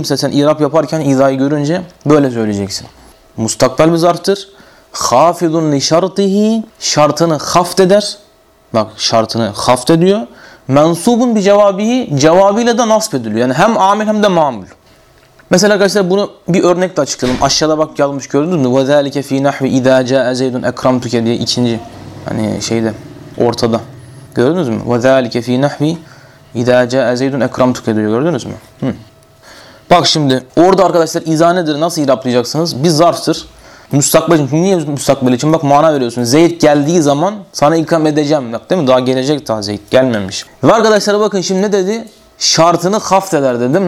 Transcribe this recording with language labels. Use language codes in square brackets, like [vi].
[tr] Mesela sen irap yaparken izayı görünce böyle söyleyeceksin. Mustakbel mi zarftır? Khafidun li şartıhi şartını haft eder. Bak şartını haft ediyor. Mensubun bir cevabihi cevabıyla da nasb ediliyor. Yani hem amil hem de mamul. Mesela arkadaşlar bunu bir örnekle açıklayalım. Aşağıda bak yazmış gördünüz mü? [ar] وَذَٰلِكَ ف۪ي نَحْوِ اِذَا جَاءَ زَيْدٌ اَكْرَمْتُكَ [tr] diye ikinci hani şeyde ortada. Gördünüz mü? [ar] وَذَٰلِكَ ف۪ي نَحْوِ اِذَا جَاءَ زَيْدٌ اَكْرَمْتُكَ [tr] diyor. Gördünüz mü? Hı. Bak şimdi orada arkadaşlar izah nedir? Nasıl iraplayacaksınız? Bir zarftır. Müstakbel için. Niye müstakbel için? Bak mana veriyorsun. Zeyd geldiği zaman sana ikram edeceğim. Bak değil mi? Daha gelecek daha Zeyd. Gelmemiş. Ve arkadaşlar bakın şimdi ne dedi? Şartını haft eder dedi.